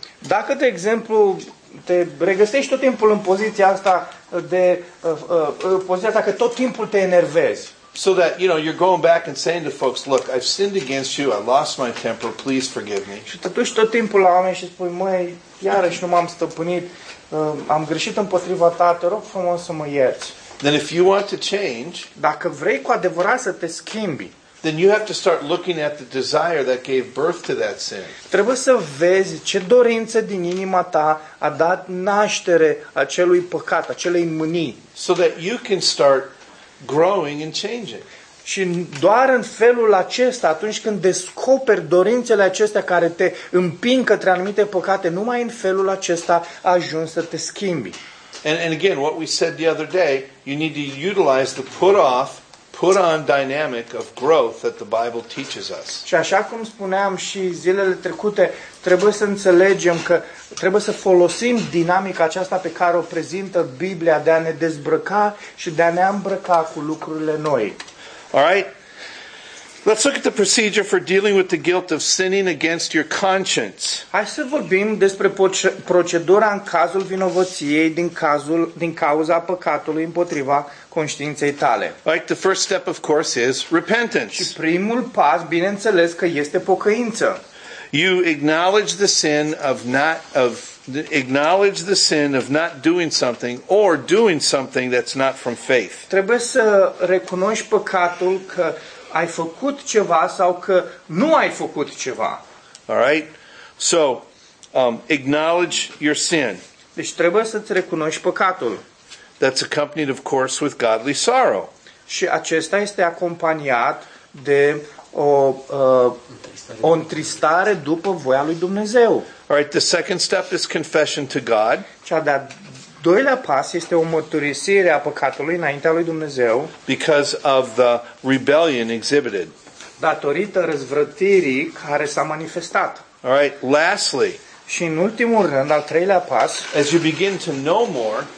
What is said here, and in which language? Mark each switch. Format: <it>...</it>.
<ro>dacă de exemplu te regăsești tot timpul în poziția asta de poziția asta că tot timpul te enervezi,</ro> <en>so that you know you're going back and saying to folks, look, I've sinned against you, I lost my temper, please forgive me.</en> <ro>Și te duci tot timpul la oameni și spui, măi, iarăși nu m-am stăpânit, am greșit împotriva ta, te rog frumos să mă ierți.</ro> <en>Then if you want to change,</en> <ro>dacă vrei cu adevărat să te schimbi,</ro> <en>then you have to start looking at the desire that gave birth to that sin.</en> <ro>Trebuie să vezi ce dorință din inima ta a dat naștere acelui păcat, acelei mânii.</ro> <en>So that you can start growing and changing.</en> <ro>Și doar în felul acesta, atunci când descoperi dorințele acestea care te împing către anumite păcate, numai în felul acesta ajungi să te schimbi.</ro> <en>And again, what we said the other day, you need to utilize the put off, put on dynamic of growth that the Bible teaches us.</en> <ro>Și așa cum spuneam și zilele trecute, trebuie să înțelegem că trebuie să folosim dinamica aceasta pe care o prezintă Biblia de a ne dezbrăca și de a ne îmbrăca cu lucrurile noi.</ro> <en>All right. Let's look at the procedure for dealing with the guilt of sinning against your conscience.</en> <ro>Hai să vorbim despre procedura în cazul vinovăției din cauza păcatului împotriva conștiinței tale.</ro> <en>Like the first step, of course, is repentance.</en> <ro>Și primul pas, bineînțeles, că este pocăință.</ro> <en>You acknowledge the sin of not doing something or doing something that's not from faith.</en> <ro>Trebuie să recunoști păcatul că ai făcut ceva sau că nu ai făcut ceva.</ro> <en>All right? So, acknowledge your sin.</en> <ro>Deci trebuie să-ți recunoști păcatul.</ro> <en>That's accompanied, of course, with godly sorrow.</en> <ro>Și acesta este acompaniat de o întristare după voia lui Dumnezeu.</ro> <en>All right, the second step is confession to God.</en> <ro>Cea de-a doilea pas este o mărturisire a păcatului înaintea lui Dumnezeu.</ro> <en>Because of the rebellion exhibited.</en> <ro>Datorită răzvrătirii care s-a manifestat.</ro> <en>All right, lastly.</en> <ro>Și în ultimul rând, al treilea pas,</ro> <en>as you begin to know more,</en>